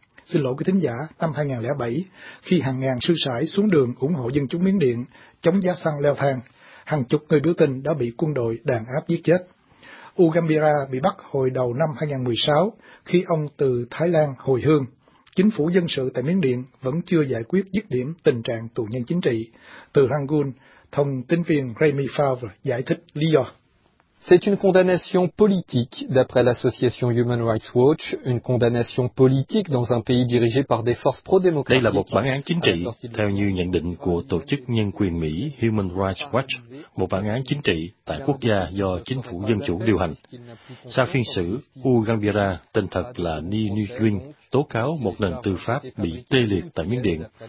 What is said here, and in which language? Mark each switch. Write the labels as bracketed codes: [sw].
[vi] Xin lỗi quý thính giả, năm 2007, khi hàng ngàn sư sãi xuống đường ủng hộ dân chúng Miến Điện, chống giá xăng leo thang, hàng chục người biểu tình đã bị quân đội đàn áp giết chết. U Gambira bị bắt hồi đầu năm 2016, khi ông từ Thái Lan hồi hương. Chính phủ dân sự tại Miến Điện vẫn chưa giải quyết dứt điểm tình trạng tù nhân chính trị. Từ Rangoon, thông tin viên Remy Favre giải thích lý do. [fr] C'est une condamnation politique, d'après l'association Human Rights Watch, une condamnation politique dans un pays dirigé par des forces pro-démocratiques. [vi] Đây là một bản án chính trị, theo như nhận định của tổ chức nhân quyền Mỹ Human Rights Watch, một bản án chính trị tại quốc gia do chính phủ dân chủ điều hành. Sau phiên xử, U Gambira, tên thật là Ni Nguyen, tố cáo một nền tư pháp bị tê liệt tại Miến Điện.